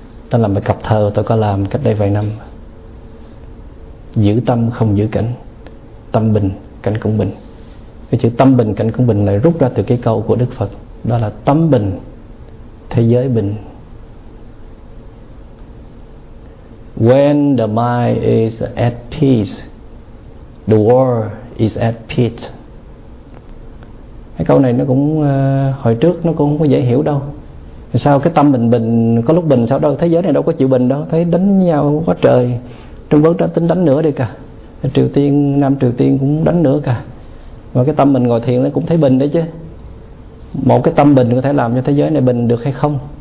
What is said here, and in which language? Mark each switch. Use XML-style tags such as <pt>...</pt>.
<vi>Đó là một cặp thơ tôi có làm cách đây vài năm. Giữ tâm không giữ cảnh, tâm bình, cảnh cũng bình. Cái chữ tâm bình, cảnh cũng bình lại rút ra từ cái câu của Đức Phật. Đó là tâm bình, thế giới bình.</vi> <en>When the mind is at peace, the world is at peace.</en> <vi>Cái câu này nó cũng hồi trước nó cũng không có dễ hiểu đâu. Sao cái tâm mình bình, có lúc bình sao đâu, thế giới này đâu có chịu bình đâu, thấy đánh nhau quá trời. Trung Quốc đã tính đánh nữa đi cả, Triều Tiên, Nam Triều Tiên cũng đánh nữa cả. Và cái tâm mình ngồi thiền nó cũng thấy bình đấy chứ. Một cái tâm bình có thể làm cho thế giới này bình được hay không?</vi>